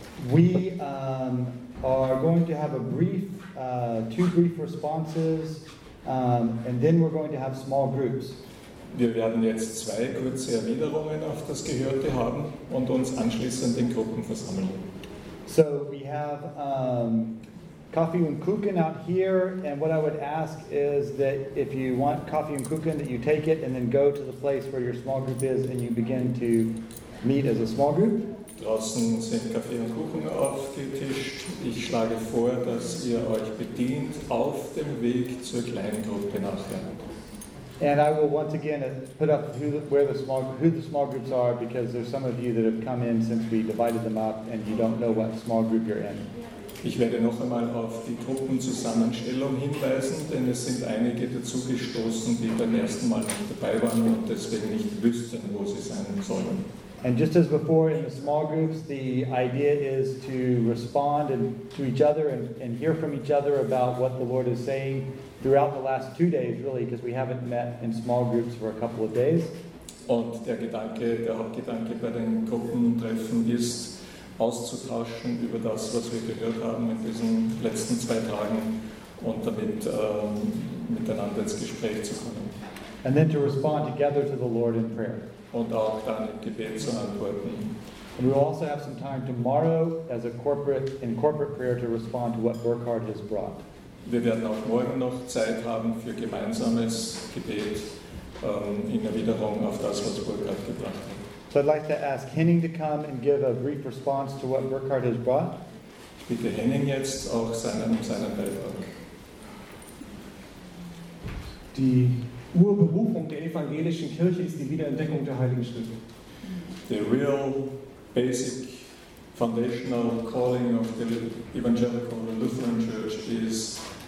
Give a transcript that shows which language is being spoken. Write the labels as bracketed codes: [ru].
[en] We are going to have a brief, two brief responses, and then we're going to have small groups. [de] Wir werden jetzt zwei kurze Erwiderungen auf das Gehörte haben und uns anschließend in Gruppen versammeln. [en] So we have coffee and Kuchen out here, and what I would ask is that if you want coffee and Kuchen, that you take it and then go to the place where your small group is and you begin to meet as a small group. [de] Draußen sind Kaffee und Kuchen aufgetischt. Ich schlage vor, dass ihr euch bedient auf dem Weg zur kleinen Gruppe nachher. [en] And I will once again put up who the small groups are, because there's some of you that have come in since we divided them up and you don't know what small group you're in. [de] Ich werde noch einmal auf die Gruppenzusammenstellung hinweisen, denn es sind einige dazugestoßen, die beim ersten Mal nicht dabei waren und deswegen nicht wüssten, wo sie sein sollen. [en] And just as before in the small groups, the idea is to respond and to each other and hear from each other about what the Lord is saying throughout the last 2 days, really, because we haven't met in small groups for a couple of days. [de] Und der Hauptgedanke bei den Gruppentreffen ist, auszutauschen über das, was wir gehört haben in diesen letzten 2 Tagen und damit miteinander ins Gespräch zu kommen. [en] And then to respond together to the Lord in prayer. [de] Und auch dann im Gebet zu antworten. [en] And we will also have some time tomorrow as a corporate prayer to respond to what Burkhard has brought. [de] Wir werden auch morgen noch Zeit haben für gemeinsames Gebet in Erwiderung auf das, was Burkhard gebracht hat. [en] So I'd like to ask Henning to come and give a brief response to what Burkhard has brought. [de] Ich bitte Henning jetzt auch seinen Beitrag. Die Urberufung der evangelischen Kirche ist die Wiederentdeckung der Heiligen Schrift. [en] The real basic foundational calling of the evangelical Lutheran Church is